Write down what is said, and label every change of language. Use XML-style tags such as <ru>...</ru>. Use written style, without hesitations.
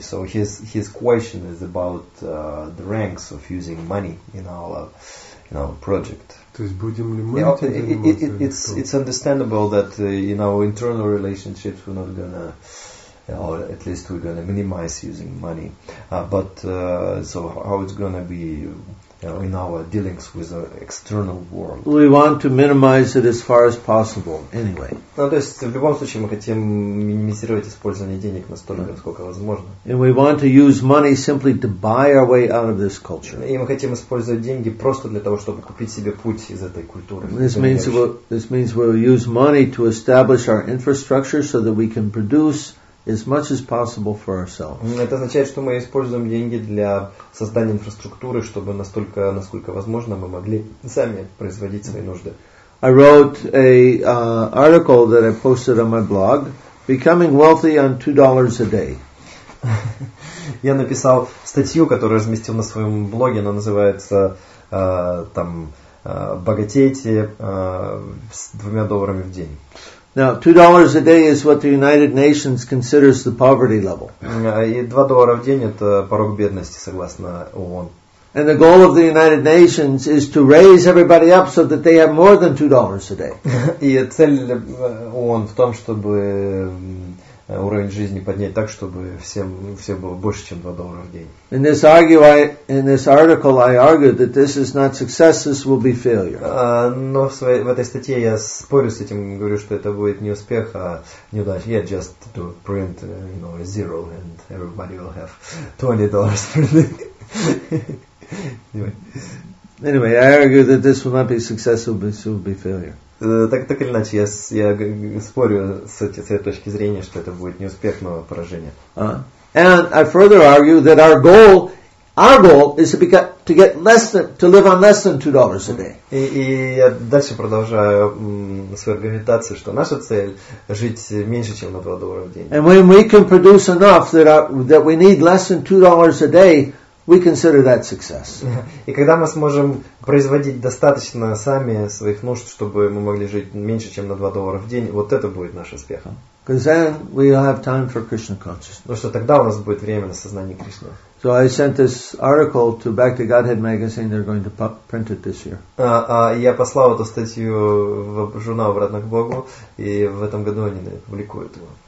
<en>So his question is about the ranks of using money in our project.</en> <ru>То есть будем ли мы этим заниматься?</ru> <en>It's understandable that in our internal relationships we're not gonna, or at least we're gonna minimize using money. But so how it's gonna be in our dealings with the external world? We want to minimize it as far as possible, anyway.</en> <ru>Ну то есть в любом случае мы хотим минимизировать использование денег настолько, насколько возможно.</ru> <en>And we want to use money simply to buy our way out of this culture.</en> <ru>И мы хотим использовать деньги просто для того, чтобы купить себе путь из этой культуры.</ru> <en>This means we'll use money to establish our infrastructure so that we can produce as much as possible for ourselves.</en> <ru>Это означает, что мы используем деньги для создания инфраструктуры, чтобы настолько, насколько возможно, мы могли сами производить свои нужды.</ru> <en>I wrote an article that I posted on my blog, "Becoming Wealthy on $2 a Day."</en> <ru>Я написал статью, которую разместил на своем блоге. Она называется "Богатейте с $2 в день."</ru> <en>Now, $2 a day is what the United Nations considers the poverty level.</en> <ru>И $2 в день – это порог бедности, согласно ООН.</ru> <en>And the goal of the United Nations is to raise everybody up so that they have more than $2 a day.</en> <ru>И цель ООН в том, чтобы уровень жизни поднять так, чтобы всем было больше, чем $2 в день.</ru> <en>In this article, I argue that this is not success, this will be failure.</en> <ru>Но в этой статье я спорю с этим, говорю, что это будет не успех, а неудача.</ru> <en>Yeah, just to print, a zero and everybody will have $20 per day. Anyway, I argue that this will not be success, this will be failure.</en> <ru>Так или иначе, я спорю с этой точки зрения, что это будет не успех, но поражение.</ru> <en>And I further argue that our goal is to live on less than $2 a day.</en> <ru>И я дальше продолжаю свою аргументацию, что наша цель жить меньше, чем на $2 в день.</ru> <en>And when we can produce enough that we need less than $2 a day, we consider that success.</en> <ru>И когда мы сможем производить достаточно сами своих нужд, чтобы мы могли жить меньше, чем на $2 в день, вот это будет наш успех.</ru> <en>Because then we'll have time for Krishna consciousness.</en> <ru>Потому что тогда у нас будет время на сознание Кришны.</ru> <en>So I sent this article to Back to Godhead magazine. They're going to print it this year.</en> <ru>Я послал эту статью в журнал «Обратно к Богу», и в этом году они публикуют его.</ru>